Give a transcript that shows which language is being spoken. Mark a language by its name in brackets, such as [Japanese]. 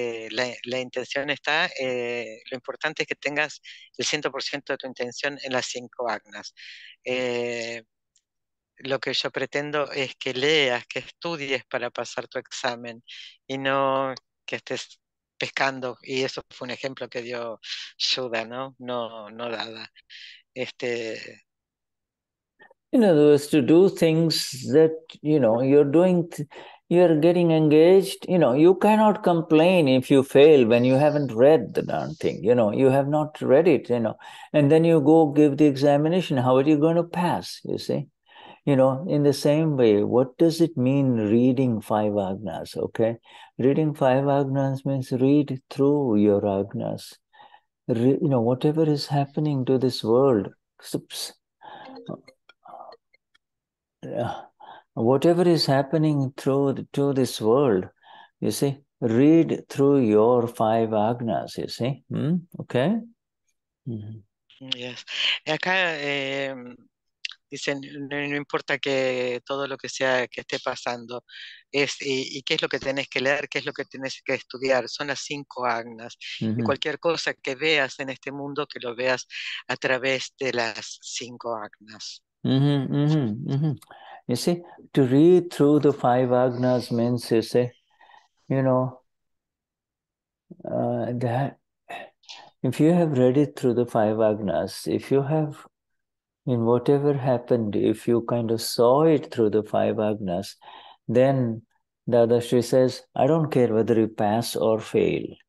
[Spanish] La intención está, lo importante es que tengas el 100% de tu intención en las cinco agnas. Lo que yo pretendo es que leas, que estudies para pasar tu examen y no que estés pescando. Y eso fue un ejemplo que dio Shuddha, ¿no? No Dada. [English] In other words, to do things that, you know, you're doing, you're getting engaged, you know, you cannot complain if you fail when you haven't read the darn thing, you know, you have not read it, you know, and then you go give the examination, how are you going to pass, you see? You know, in the same way, what does it mean reading five agnas, okay? Reading five agnas means read through your agnas, you know, whatever is happening to this world, oops. Whatever is happening to this world, you see, read through your five agnas, you see. Mm? Okay? Mm-hmm. Yes. [Spanish] Acá dicen, no importa que todo lo que sea que esté pasando, y qué es lo que tenés que leer, qué es lo que tenés que estudiar, son las cinco agnas. Mm-hmm. Y cualquier cosa que veas en este mundo, que lo veas a través de las cinco agnas. Mm-hmm, mm-hmm, mm-hmm. [English] You see, to read through the five agnas means, you say, you know, that if you have read it through the five agnas, if you have, in whatever happened, if you kind of saw it through the five agnas, then Dadashri says, I don't care whether you pass or fail.